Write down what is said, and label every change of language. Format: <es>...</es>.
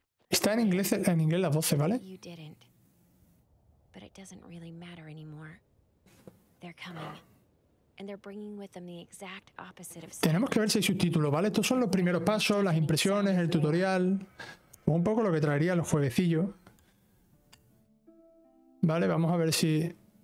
<es>Está en inglés las voces, ¿vale?</es> <en>But it doesn't really matter anymore. They're coming. And they're bringing with them the exact opposite of...</en> <es>Tenemos que ver si hay subtítulos, ¿vale? Estos son los primeros pasos, las impresiones, el tutorial. Un poco lo que traería los jueguecillos. Vale, vamos a ver si...</es>